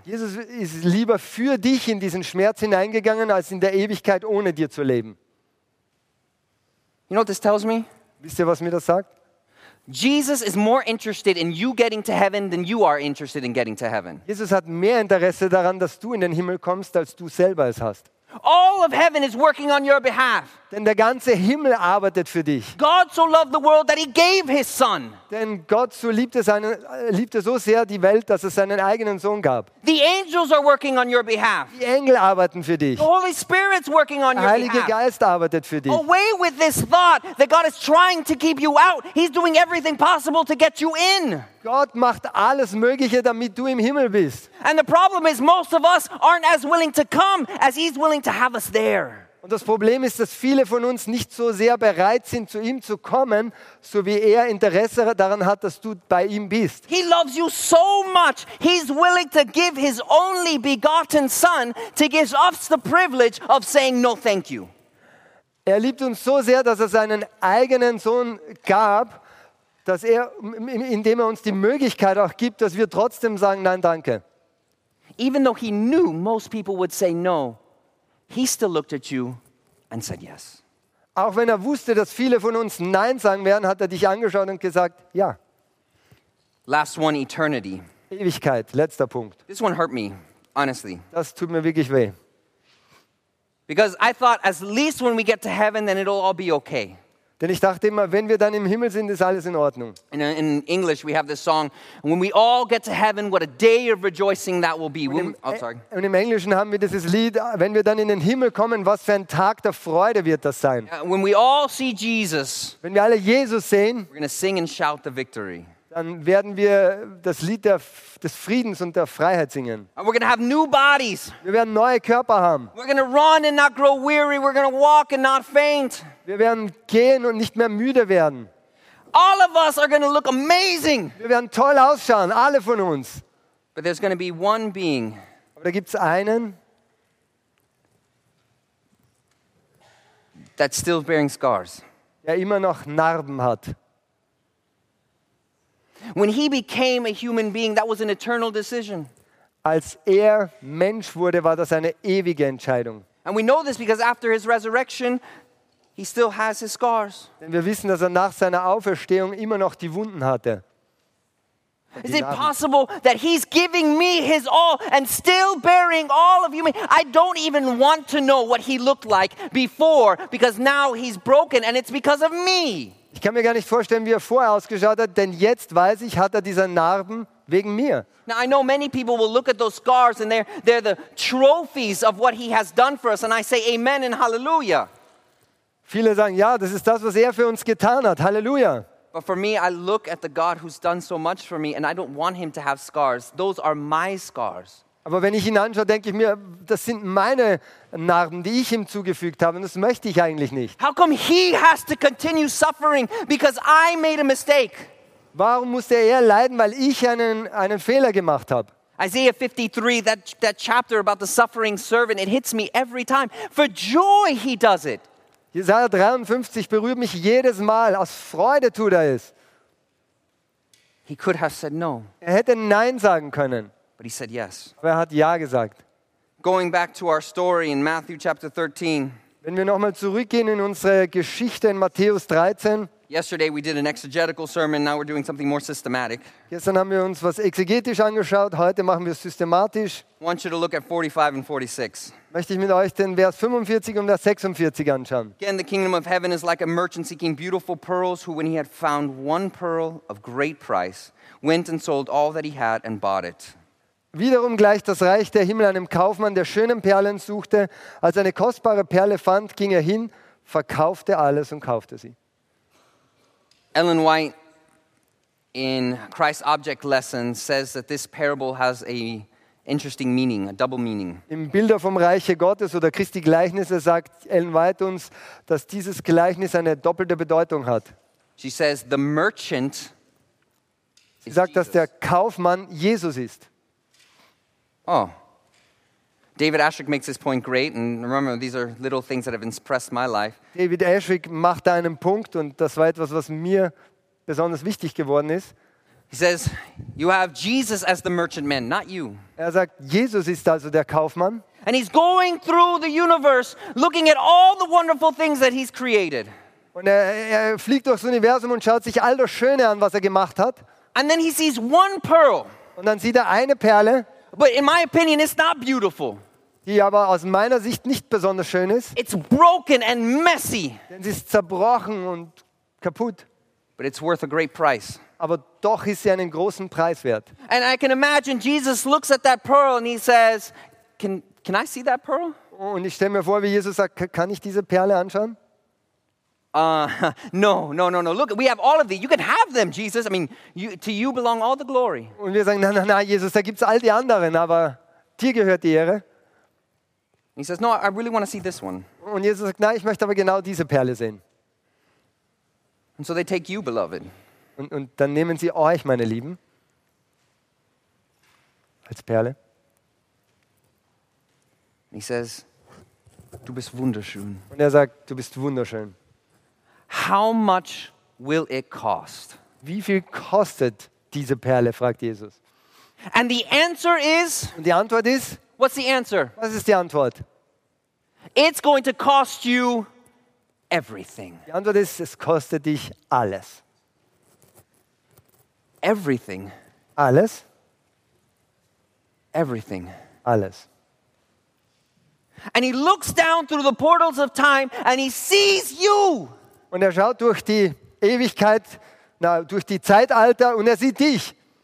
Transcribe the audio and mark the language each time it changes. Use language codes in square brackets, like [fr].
[de] Jesus ist lieber für dich in diesen Schmerz hineingegangen als in der Ewigkeit ohne dir zu leben. [en] You know what this tells me? [de] Wisst ihr, was mir das sagt? [en] Jesus is more interested in you getting to heaven than you are interested in getting to heaven. [de] Jesus hat mehr Interesse daran, dass du in den Himmel kommst, als du selber es hast. [en] All of heaven is working on your behalf. [de] Denn der ganze Himmel arbeitet für dich. [en] God so loved the world that he gave his son. [de] Denn Gott so liebte so sehr die Welt, dass es seinen eigenen Sohn gab. [en] The angels are working on your behalf. [de] Die Engel arbeiten für dich. [en] The Holy Spirit's working on your behalf. [de] Der Heilige Geist arbeitet für dich. [en] Away with this thought that God is trying to keep you out. He's doing everything possible to get you in. [de] Gott macht alles Mögliche, damit du im Himmel bist. [en] And the problem is most of us aren't as willing to come as he's willing to have us there. [de] Und das Problem ist, dass viele von uns nicht so sehr bereit sind, zu ihm zu kommen, so wie er Interesse daran hat, dass du bei ihm bist. [en] He loves you so much, he's willing to give his only begotten son to give us the privilege of saying no thank you. [de] Er liebt uns so sehr, dass er seinen eigenen Sohn gab, dass er, indem er uns die Möglichkeit auch gibt, dass wir trotzdem sagen, nein, danke. [en] Even though he knew most people would say no, he still looked at you and said yes. [de] Auch wenn er wusste, dass viele von uns nein sagen werden, hat er dich angeschaut und gesagt, ja. [en] Last one, eternity. [de] Ewigkeit, letzter Punkt. [en] This one hurt me, honestly. [de] Das tut mir wirklich weh. [en] Because I thought, at least when we get to heaven, then it'll all be okay. [de] Denn ich dachte immer, wenn wir dann im Himmel sind, ist alles in Ordnung. [en] In English we have this song, when we all get to heaven, what a day of rejoicing that will be. [de] Und im Englischen haben wir dieses Lied, wenn wir dann in den Himmel kommen, was für ein Tag der Freude wird das sein. [en] When we all see Jesus, [de] wenn wir alle Jesus sehen, [en] we're gonna sing and shout the victory. [de] Dann werden wir das Lied des Friedens und der Freiheit singen. [en] We're gonna have new bodies. [de] Wir werden neue Körper haben. [en] We're gonna run and not grow weary. We're gonna walk and not faint. [de] Wir werden gehen und nicht mehr müde werden. [en] All of us are gonna look amazing. [de] Wir werden toll ausschauen, alle von uns. [en] But there's gonna be one being. [de] Aber da gibt's einen, [en] that's still bearing scars. [de] Der immer noch Narben hat. [en] When he became a human being, that was an eternal decision. [de] Als er Mensch wurde, war das eine ewige Entscheidung. [en] And we know this because after his resurrection, he still has his scars. [de] Denn wir wissen, dass er nach seiner Auferstehung immer noch die Wunden hatte. [en] Is it possible that he's giving me his all and still bearing all of you? I don't even want to know what he looked like before, because now he's broken and it's because of me. [de] Ich kann mir gar nicht vorstellen, wie vorher ausgeschaut hat, denn jetzt weiß ich, hat diese Narben wegen mir. [en] Now I know many people will look at those scars and they're the trophies of what he has done for us, and I say amen and hallelujah. [de] Viele sagen, ja, das ist das, was für uns getan hat. Halleluja. [en] But for me, I look at the God who's done so much for me, and I don't want him to have scars. Those are my scars. [de] Aber wenn ich ihn anschaue, denke ich mir, das sind meine Narben, die ich ihm zugefügt habe, und das möchte ich eigentlich nicht. [en] How come he has to continue suffering because I made a mistake? [de] Warum muss er leiden, weil ich einen Fehler gemacht habe? [en] Isaiah 53, that chapter about the suffering servant, it hits me every time. For joy he does it. [de] Jesaja 53 berührt mich jedes Mal. Aus Freude tut es. [en] He could have said no. [de] Hätte Nein sagen können. [en] But he said yes. [de] Aber hat Ja gesagt. [en] Going back to our story in Matthew chapter 13. [de] Wenn wir nochmal zurückgehen in unsere Geschichte in Matthäus 13. [en] Yesterday we did an exegetical sermon, now we're doing something more systematic. [de] Gestern haben wir uns was exegetisch angeschaut, heute machen wir es systematisch. [en] I want you to look at 45 and 46. [de] Möchte ich mit euch den Vers 45 und Vers 46 anschauen. [en] Again, the kingdom of heaven is like a merchant seeking beautiful pearls, who when he had found one pearl of great price, went and sold all that he had and bought it. [de] Wiederum gleicht das Reich der Himmel einem Kaufmann, der schönen Perlen suchte. Als eine kostbare Perle fand, ging hin, verkaufte alles und kaufte sie. [en] Ellen White in Christ's Object Lesson says that this parable has a interesting meaning, a double meaning. [de] Im Bilder vom Reiche Gottes oder Christi Gleichnisse sagt Ellen White uns, dass dieses Gleichnis eine doppelte Bedeutung hat. [en] She says the merchant. [de] Sie sagt, dass der Kaufmann Jesus ist. Oh. [en] David Ashrick makes this point great, and remember, these are little things that have impressed my life. [de] David Ashrick macht da einen Punkt, und das war etwas, was mir besonders wichtig geworden ist. [en] He says, "You have Jesus as the merchantman, not you." [de] Sagt, Jesus ist also der Kaufmann. [en] And he's going through the universe, looking at all the wonderful things that he's created. [de] Und fliegt durchs Universum und schaut sich all das Schöne an, was gemacht hat. [en] And then he sees one pearl. [de] Und dann sieht eine Perle. [en] But in my opinion, it's not beautiful. [de] Die aber aus meiner Sicht nicht besonders schön ist. [en] It's broken and messy. [de] Denn sie ist zerbrochen und kaputt. [en] But it's worth a great price. [de] Aber doch ist sie einen großen Preis wert. [en] And I can imagine Jesus looks at that pearl and he says, can I see that pearl? [de] Und ich stelle mir vor, wie Jesus sagt, kann ich diese Perle anschauen? [en] No. Look, we have all of these. You can have them, Jesus. I mean, to you belong all the glory. [de] Und wir sagen, na, Jesus, da gibt's all die anderen, aber dir gehört die Ehre. [en] He says, no, I really want to see this one. [de] Und Jesus sagt, nein, ich möchte aber genau diese Perle sehen. [en] And so they take you, beloved. [de] Und dann nehmen sie euch, meine Lieben, als Perle. [en] He says, [de] du bist wunderschön. Und sagt, du bist wunderschön. [en] How much will it cost? [de] Wie viel kostet diese Perle, fragt Jesus. [en] And the answer is? [de] Und die Antwort ist? [en] What's the answer? [de] Was ist die Antwort? [en] It's going to cost you everything. [de] Die Antwort ist, es kostet dich alles. [en] Everything. [de] Alles. [en] Everything. [de] Alles. [en] And he looks down through the portals of time and he sees you. [de] Und schaut durch die Ewigkeit, durch die Zeitalter, und sieht dich.